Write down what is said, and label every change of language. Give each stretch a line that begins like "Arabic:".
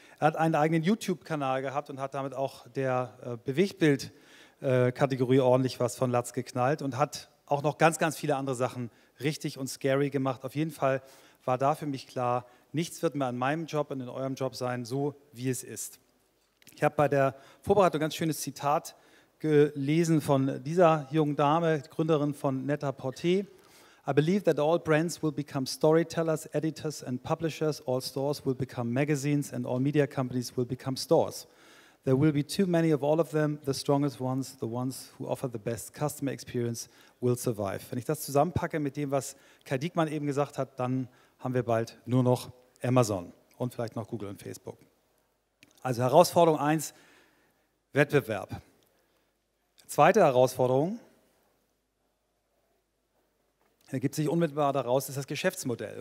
German: Er hat einen eigenen YouTube-Kanal gehabt und hat damit auch der Bewegtbild-Kategorie ordentlich was von Latz geknallt und hat auch noch ganz, ganz viele andere Sachen richtig und scary gemacht. Auf jeden Fall war da für mich klar, nichts wird mehr an meinem Job und in eurem Job sein, so wie es ist. Ich habe bei der Vorbereitung ein ganz schönes Zitat gelesen von dieser jungen Dame, Gründerin von Net-a-Porter.
English: I believe that all brands will become storytellers, editors and publishers. All stores will become magazines and all media companies will become stores. There will be too many of all of them. The strongest ones, the ones who offer the best customer experience will survive.
German: Wenn ich das zusammenpacke mit dem, was Kai Diekmann eben gesagt hat, dann haben wir bald nur noch Amazon und vielleicht noch Google und Facebook. Also Herausforderung 1, Wettbewerb. Zweite Herausforderung ergibt sich unmittelbar daraus, ist das Geschäftsmodell.